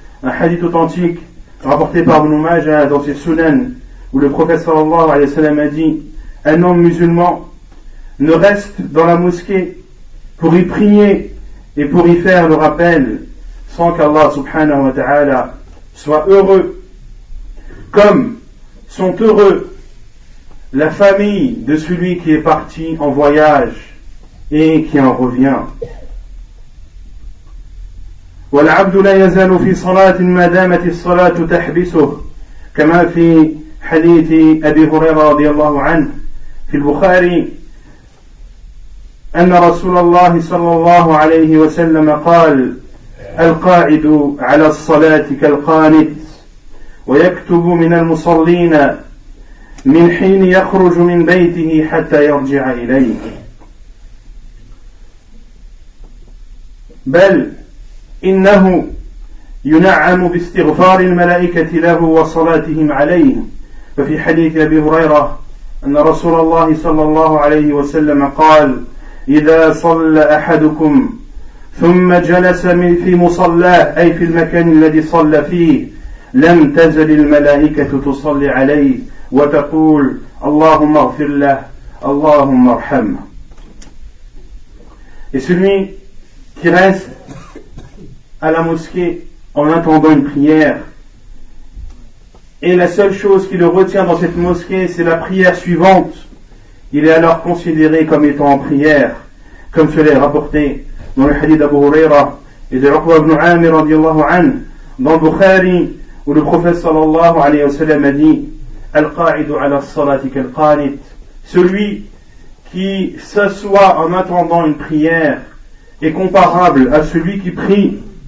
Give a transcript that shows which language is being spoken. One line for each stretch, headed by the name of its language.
French: Un hadith authentique rapporté par Ibn Majah dans ses Sunan, où le prophète sallallahu alayhi wa sallam a dit: un homme musulman ne reste dans la mosquée pour y prier et pour y faire le rappel sans qu'Allah subhanahu wa ta'ala soit heureux, comme sont heureux la famille de celui qui est parti en voyage et qui en revient.
Arabic: والعبد لا يزال في صلاة ما دامت الصلاة تحبسه، كما في حديث أبي هريرة رضي الله عنه في البخاري أن رسول الله صلى الله عليه وسلم قال: القاعد على الصلاة كالقانت، ويكتب من المصلين من حين يخرج من بيته حتى يرجع إليه. بل إنه ينعم باستغفار الملائكة له وصلاتهم عليه. ففي حديث أبي هريرة أن رسول الله صلى الله عليه وسلم قال: إذا صلى أحدكم ثم جلس في مصلاه، أي في المكان الذي صلى فيه، لم تزل الملائكة تصلي عليه وتقول: اللهم اغفر له، اللهم ارحمه.
French: Et celui qui reste à la mosquée en attendant une prière. Et la seule chose qui le retient dans cette mosquée, c'est la prière suivante. Il est alors considéré comme étant en prière, comme cela est rapporté dans le hadith d'Abu Huraira et de Uqba ibn Amir radiallahu anhu, dans Bukhari, où le prophète sallallahu alayhi wa sallam a dit «
Arabic: Al-qa'idu ala salati kal-qanit
French: » Celui qui s'assoit en attendant une prière est comparable à celui qui prie,